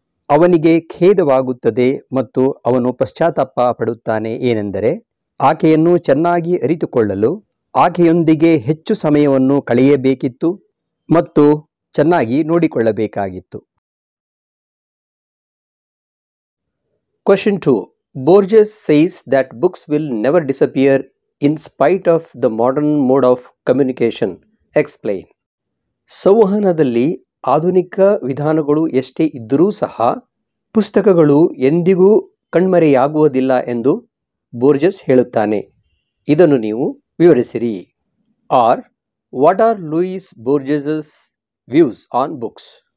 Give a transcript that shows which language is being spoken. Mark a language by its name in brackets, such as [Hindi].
[Kannada] ಅವನಿಗೆ ಖೇದವಾಗುತ್ತದೆ ಮತ್ತು ಅವನು ಪಶ್ಚಾತ್ತಾಪ ಪಡುತ್ತಾನೆ ಏನೆಂದರೆ ಆಕೆಯನ್ನು ಚೆನ್ನಾಗಿ ಅರಿತುಕೊಳ್ಳಲು ಆಕೆಯೊಂದಿಗೆ ಹೆಚ್ಚು ಸಮಯವನ್ನು ಕಳೆಯಬೇಕಿತ್ತು ಮತ್ತು ಚೆನ್ನಾಗಿ ನೋಡಿಕೊಳ್ಳಬೇಕಾಗಿತ್ತು. [English] Question 2, Borges says that books will never disappear in spite of the modern mode of communication? Explain. [Kannada] ಸಂವಹನದಲ್ಲಿ ಆಧುನಿಕ ವಿಧಾನಗಳು ಎಷ್ಟೇ ಇದ್ದರೂ ಸಹ ಪುಸ್ತಕಗಳು ಎಂದಿಗೂ ಕಣ್ಮರೆಯಾಗುವುದಿಲ್ಲ ಎಂದು ಬೋರ್ಜಸ್ ಹೇಳುತ್ತಾನೆ. ಇದನ್ನು ನೀವು ವಿವರಿಸಿರಿ. [English] Are what are Luis Borges views on books?